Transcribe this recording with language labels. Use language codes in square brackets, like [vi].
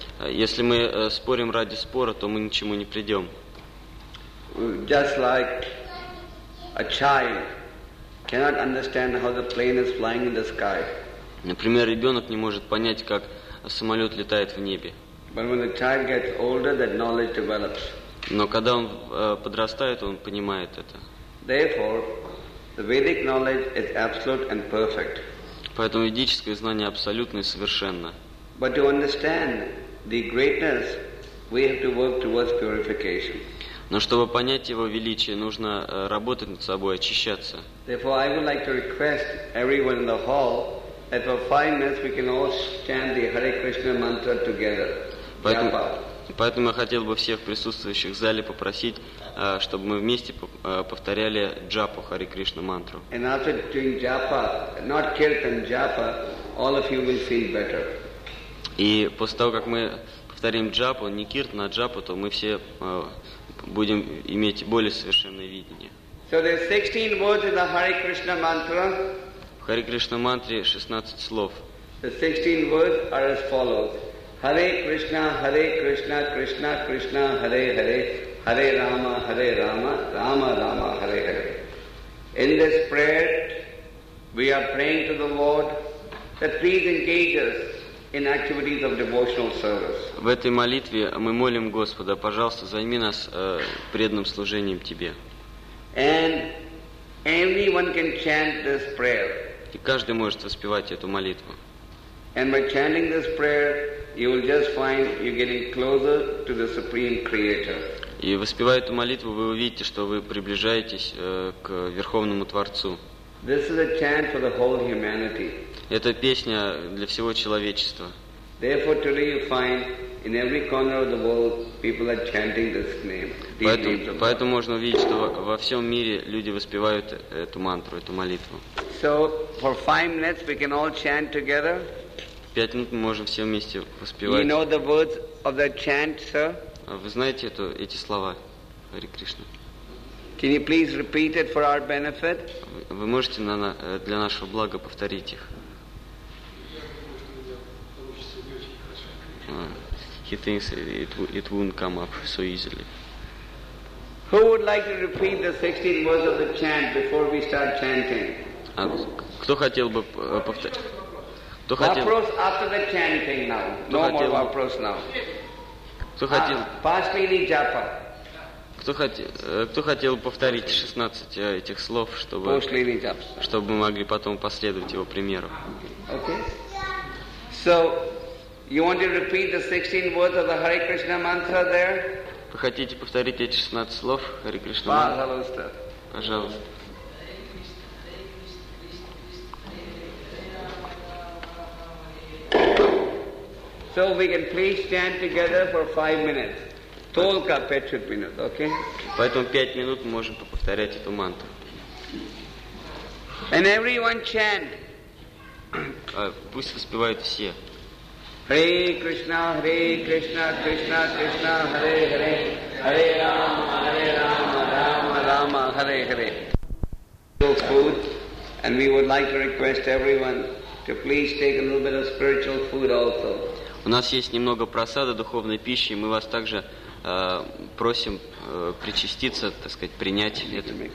[ru] Если мы спорим ради спора, то мы ничему не придем. [en] Just like a child cannot understand how the plane is flying in the sky. [ru] Например, ребенок не может понять, как самолет летает в небе. [en] But when the child gets older, that knowledge develops. [ru] Но когда он подрастает, он понимает это. [en] Therefore, the Vedic knowledge is absolute and perfect. [ru] Поэтому ведическое знание абсолютно и совершенно. [en] But to understand the greatness, we have to work towards purification. [ru] Но чтобы понять его величие, нужно работать над собой, очищаться. [en] Therefore, I would like to request everyone in the hall that for 5 minutes we can all chant the Hare Krishna mantra together. [ru] Поэтому я хотел бы всех присутствующих в зале попросить, чтобы мы вместе повторяли джапу, Хари Кришна мантру. [en] And after doing japa, not kirtan, japa, all of you will feel better. [ru] И после того, как мы повторим джапу, не киртан, а джапу, то мы все будем иметь более совершенное видение. [en] So there are 16 words in the Hare Krishna mantra. [ru] В Хари Кришна мантре 16 слов. [en] The 16 words are as follows. Hare Krishna, Hare Krishna, Krishna Krishna, Hare Hare, Hare Rama, Hare Rama, Rama Rama, Hare Hare. In this prayer, we are praying to the Lord that please engage us in activities of devotional service. [ru] В этой молитве мы молим Господа, пожалуйста, займи нас преданным служением Тебе. [en] And anyone can chant this prayer. [ru] И каждый может воспевать эту молитву. [en] And by chanting this prayer, you will just find you're getting closer to the Supreme Creator. [ru] И воспевая эту молитву, вы увидите, что вы приближаетесь к Верховному Творцу. [en] This is a chant for the whole humanity. [ru] Это песня для всего человечества. [en] Therefore, today you find in every corner of the world people are chanting this name. [ru] Поэтому можно увидеть, что во всем мире люди воспевают эту мантру, эту молитву. [en] So for 5 minutes we can all chant together. [ru] 5 минут мы можем все вместе воспевать. [en] You know the words of the chant, sir? [ru] Вы знаете эти слова, Хари Кришна? [en] Can you please repeat it for our benefit? [ru] Вы можете для нашего блага повторить их? [en] He thinks it won't come up so easily. Who would like to repeat the 16 words of the chant before we start chanting? [ru] Кто хотел бы повторить? Вопрос [en] after the chanting now. No more [ru] вопрос [en] now. [ru] Кто хотел? Пасли или джапа? Кто хотел повторить 16 этих слов, чтобы мы могли потом последовать его примеру? [en] Okay. So, you want to repeat the 16 words of the Hare Krishna mantra there? [ru] Вы хотите повторить эти 16 слов Хари Кришна мантры? Пожалуйста. Пожалуйста. [en] So we can please stand together for 5 minutes. [ru] Только 5 минут, [en] okay? [ru] Поэтому 5 минут мы можем повторять эту мантру. [en] And everyone chant. [ru] Пусть воспевают все. [sa] Hare Krishna, Hare Krishna, Krishna Krishna, Hare Hare, Hare Rama, Hare Rama, Rama Rama, Hare Hare. [en] So food, and we would like to request everyone to please take a little bit of spiritual food also. [ru] У нас есть немного просада духовной пищи, и мы вас также просим причаститься, так сказать, принять это.